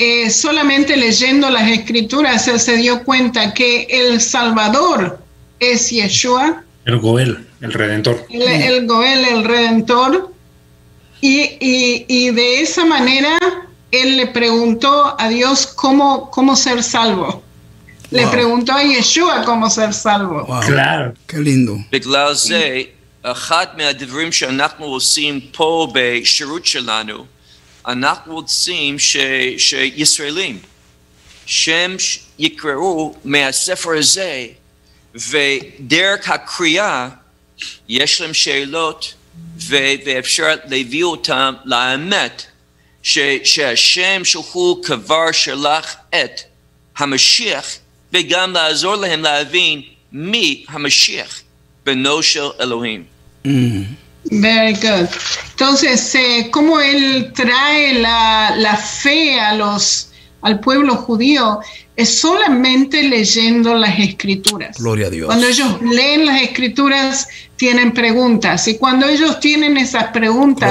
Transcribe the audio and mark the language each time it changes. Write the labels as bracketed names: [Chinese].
[Spanish] Solamente leyendo las escrituras, él se dio cuenta que el Salvador es Yeshua. El Goel, el Redentor. El Goel, el Redentor. Y de esa manera, él le preguntó a Dios cómo ser salvo. Le wow. preguntó a Yeshua cómo ser salvo. Wow. Claro, qué lindo. [Hebrew] בגלל זה, אחד מהדברים שאנחנו עושים פה בשירות שלנו, אנחנו עושים שישראלים, שהם יקראו מהספר הזה, ודרך הקריאה, יש להם שאלות, ואפשר להביא אותם לאמת, שהשם שהוא כבר שלח את המשיח, וגם לעזור להם להבין מי המשיח בנו של אלוהים. [English] Very good. [Spanish] Entonces, como él trae la fe al pueblo judío, es solamente leyendo las escrituras. Gloria a Dios. Cuando ellos leen las escrituras, tienen preguntas. Y cuando ellos tienen esas preguntas,